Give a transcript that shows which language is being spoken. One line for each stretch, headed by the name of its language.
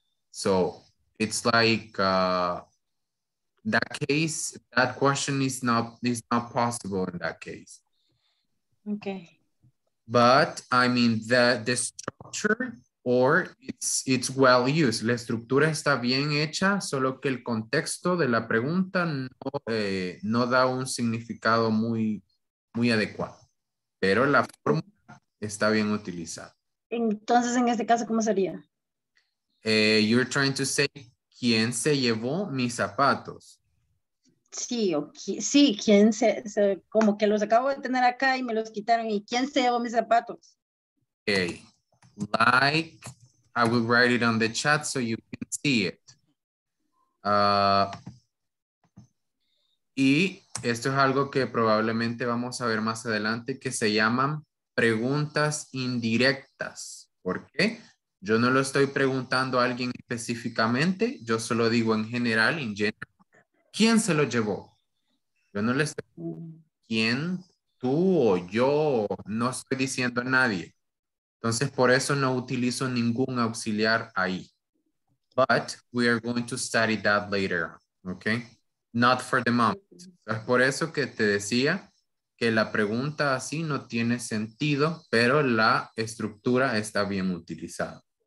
English: So it's like that case, that question is not possible in that case. Okay. But I mean the structure or it's well used.
Spanish: La estructura está bien hecha, solo que el contexto de la pregunta no, no da un significado muy, muy adecuado. Pero la fórmula está bien utilizada. Entonces, en este caso, ¿cómo sería?
English: You're trying to say,
Spanish: ¿quién se llevó mis zapatos? Sí, okay. Sí, ¿quién se, como que los acabo de tener acá y me los quitaron, y quién se llevó mis zapatos?
English: Okay, like, I will write it on the chat so you can see it.
Spanish: Y esto es algo que probablemente vamos a ver más adelante, que se llaman preguntas indirectas. ¿Por qué? Yo no lo estoy preguntando a alguien específicamente, yo solo digo en general,
English: in general,
Spanish: ¿quién se lo llevó? Yo no le estoy preguntando, ¿quién? ¿Tú o yo? No estoy diciendo a nadie. Entonces, por eso no utilizo ningún auxiliar ahí.
English: But we are going to study that later, okay? Not for the moment.
Spanish: Es por eso que te decía que la pregunta así no tiene sentido, pero la estructura está bien utilizada.